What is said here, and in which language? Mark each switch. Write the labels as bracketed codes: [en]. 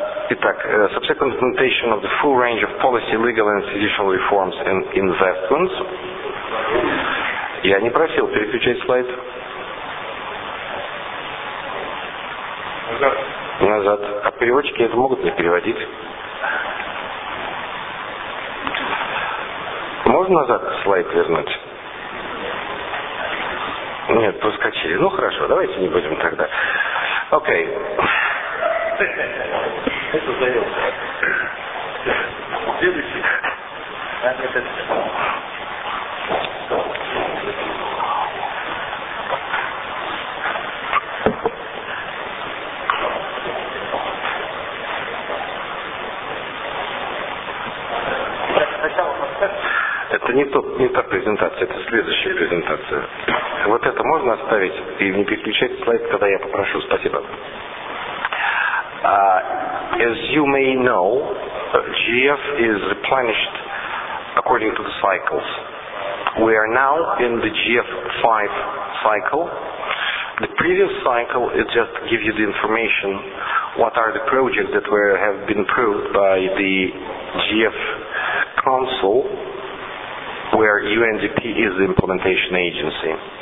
[ru] Итак, [en] subsequent implementation of the full range of policy, legal and institutional reforms and investments. [ru] Я не просил переключать слайд. Назад. А переводчики это могут не переводить? Можно назад слайд вернуть? Нет, проскочили. Ну хорошо, давайте не будем тогда. Окей. Это заел. Следующий. Это не та презентация, это следующая презентация. Вот это можно оставить и не переключать слайд, когда я попрошу. Спасибо. [en] As you may know, GF is replenished according to the cycles. We are now in the GF5 cycle. The previous cycle is just to give you the information what are the projects that have been approved by the GF Council, where UNDP is the implementation agency.